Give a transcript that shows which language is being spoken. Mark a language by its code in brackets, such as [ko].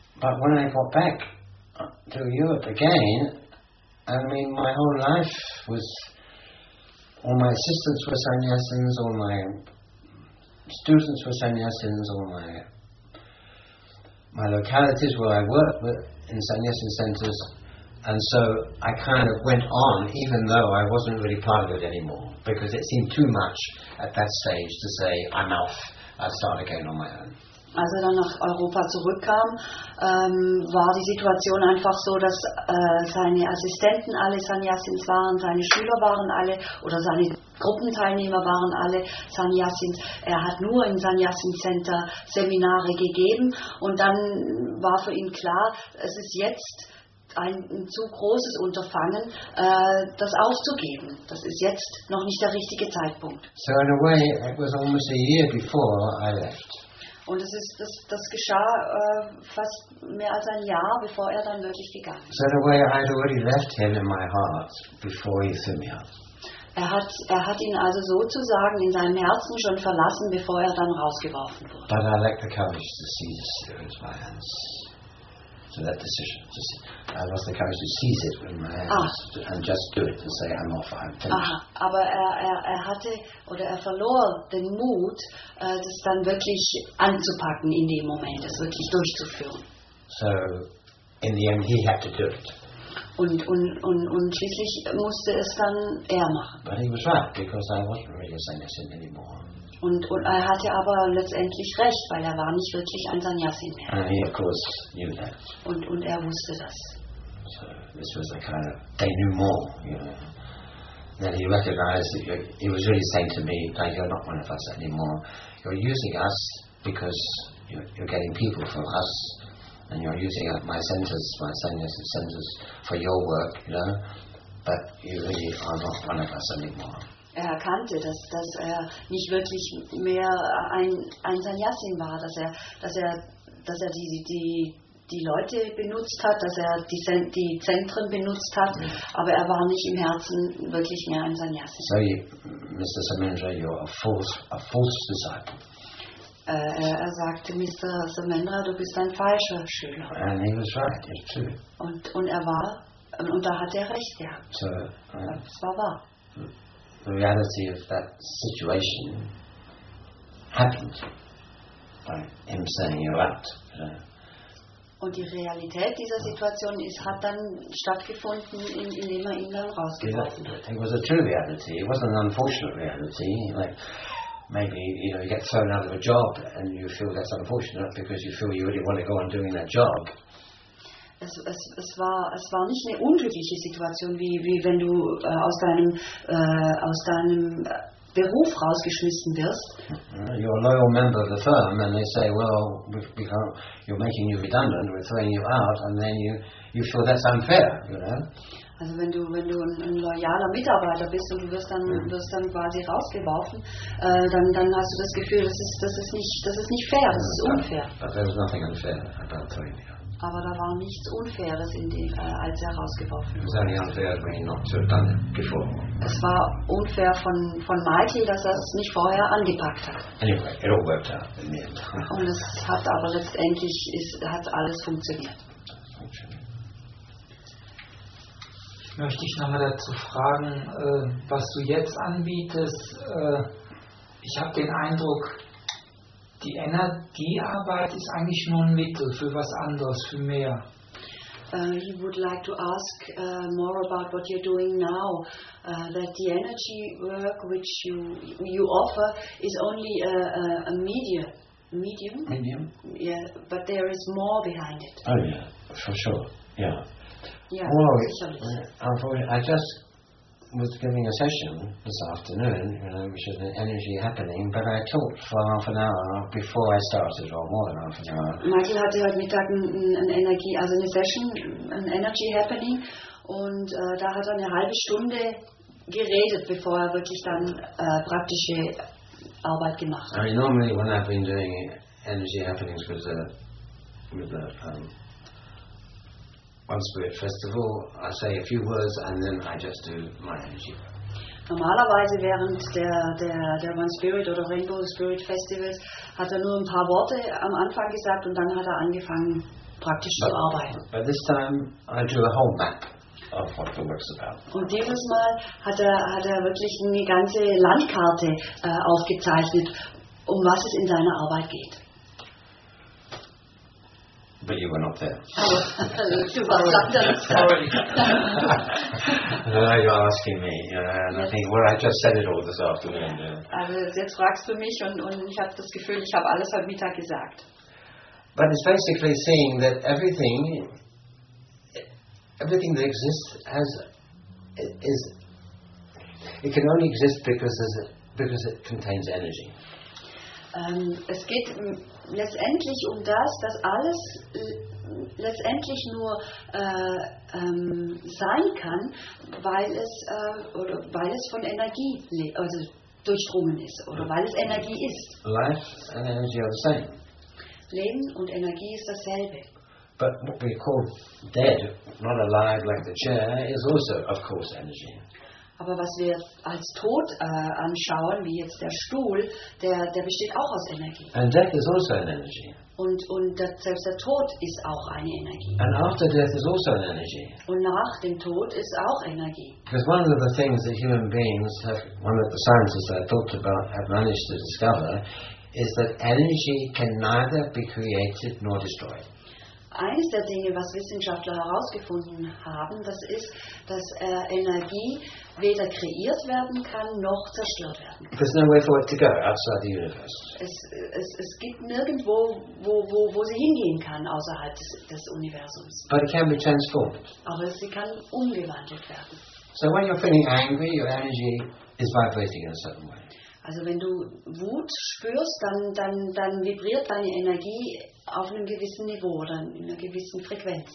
[en] But when I got back to Europe again, I mean, my whole life was, all my assistants were sannyasins, all my students were sannyasins, all my localities where I worked with in sannyasin centers, and so I kind of went on even though I wasn't really part of it anymore, because it seemed too much at that stage to say I'm off, I'll start again on my own. [de] Als er dann nach Europa zurückkam, war die Situation einfach so, dass seine Assistenten alle Sannyasins waren, seine Schüler waren alle oder seine Gruppenteilnehmer waren alle Sannyasins. Er hat nur im Sannyasin Center Seminare gegeben, und dann war für ihn klar, es ist jetzt ein zu großes Unterfangen, das aufzugeben. Das ist jetzt noch nicht der richtige Zeitpunkt. [en] So in a way, it was almost a year before I left. [de] Und das geschah fast mehr als ein Jahr, bevor er dann wirklich gegangen ist. [en] So in a way, I had already left him in my heart before he threw me out. [de] Er hat ihn also sozusagen in seinem Herzen schon verlassen, bevor er dann rausgeworfen wurde. [en] But I lack the courage to seize the spear with my hands. So that decision. I lost the courage to seize it with my hands and just do it and say I'm off, I'm finished. Aha. [de] Aber er hatte oder er verlor den Mut, das dann wirklich anzupacken in dem Moment, das wirklich durchzuführen. [en] So in the end he had to do it. [de] Und schließlich musste es dann er machen. [en] But he was right, because I wasn't really Sannyasin anymore. [de] Und er hatte aber letztendlich recht, weil er war nicht wirklich ein Sannyasin mehr. [en] And he of course knew that. [de] Und er wusste das. [en] So this was a kind of denouement, you know. Then he recognized that he was really saying to me, like, you're not one of us anymore. You're using us because you're getting people from us. And you're using up my senses, my sannyasin senses, for your work, you know. But you really are not one of us anymore. [de] Er erkannte, dass er nicht wirklich mehr ein Sannyasin war, dass er die Leute benutzt hat, dass er die Zentren benutzt hat, aber er war nicht im Herzen wirklich mehr ein Sannyasin. [en] So, Mr. Samendra, you're a false disciple. [de] Er sagte, Mr. Samendra, du bist ein falscher Schüler. [en] And he was right, it's true. [de] Und er war, und da hat er recht, ja. Das war wahr. [en] The reality of that situation happened by him saying you're out. [de] Und die Realität dieser Situation hat dann stattgefunden, indem er ihn dann rausgeworfen hat. [en] It was a true reality, it wasn't an unfortunate reality. Maybe you know you get thrown out of a job and you feel that's unfortunate because you feel you really want to go on doing that job. [de] Es war nicht eine unglückliche Situation wie wenn du aus deinem Beruf rausgeschmissen wirst. [en] You're a loyal member of the firm and they say, well, because you're making you redundant, we're throwing you out, and then you feel that's unfair, you know. [de] Also wenn du ein loyaler Mitarbeiter bist und du wirst dann quasi rausgeworfen, dann hast du das Gefühl, das ist nicht fair, das ist unfair. [en] But there was nothing unfair about throwing him. [de] Aber da war nichts Unfaires als er rausgeworfen wurde. [en] It was only unfair when he not so done it before. [de] Es war unfair von Michael, dass er es nicht vorher angepackt hat. [en] Anyway, it all worked out in the end. [de] Und es hat aber letztendlich hat alles funktioniert. Möchte ich nochmal dazu fragen, was du jetzt anbietest. Ich habe den Eindruck, die Energiearbeit ist eigentlich nur ein Mittel für was anderes, für mehr. [en] He would like to ask more about what you're doing now. That the energy work which you offer is only a medium. Medium? Yeah, but there is more behind it. Oh yeah, for sure, yeah. Yeah, well, I just was giving a session this afternoon, you know, which is an energy happening, but I talked for half an hour before I started, or more than half an hour. [de] Michael hatte heute Mittag eine Session, [en] an energy happening, [de] und da hat er eine halbe Stunde geredet, bevor er wirklich dann praktische Arbeit gemacht hat. [en] I mean, normally when I've been doing energy happenings with the One Spirit Festival, I say a few words and then I just do my energy. [de] Normalerweise während der One Spirit oder Rainbow Spirit Festivals hat nur ein paar Worte am Anfang gesagt und dann hat angefangen praktisch zu arbeiten. [en] But this time I drew a whole map of what the work's about. [de] Und dieses Mal hat er wirklich eine ganze Landkarte aufgezeichnet, um was es in seiner Arbeit geht. [en] But you were not there. You were sorry. Now you're asking me, and I think, well, I just said it all this afternoon. [de] Also, jetzt fragst du mich, und ich habe das Gefühl, ich habe alles heute Mittag gesagt. [en] But it's basically saying that everything that exists it can only exist because it contains energy. [de] Es geht letztendlich um das, dass alles letztendlich nur sein kann, weil es von Energie also durchdrungen ist oder weil es Energie ist. [en] Life and energy are the same. [de] Leben und Energie ist dasselbe. [en] But what we call dead, not alive like the chair, is also, of course, energy. [de] Aber was wir als Tod anschauen, wie jetzt der Stuhl, der besteht auch aus Energie. [en] And death is also an energy. [de] Und das, selbst der Tod ist auch eine Energie. [en] And after death is also an energy. [de] Und nach dem Tod ist auch Energie. [en] Because one of the things that human beings have, one of the sciences I talked about, have managed to discover, is that energy can neither be created nor destroyed. [de] Eines der Dinge, was Wissenschaftler herausgefunden haben, das ist, dass Energie weder kreiert werden kann noch zerstört werden kann. [en] There's no way for it to go outside the universe. [de] Es gibt nirgendwo, wo sie hingehen kann außerhalb des Universums. [en] But it can be transformed. [de] Aber sie kann umgewandelt werden. [en] So when you're feeling angry, your energy is vibrating in a certain way. [de] Also wenn du Wut spürst, dann vibriert deine Energie auf einem gewissen Niveau oder in einer gewissen Frequenz.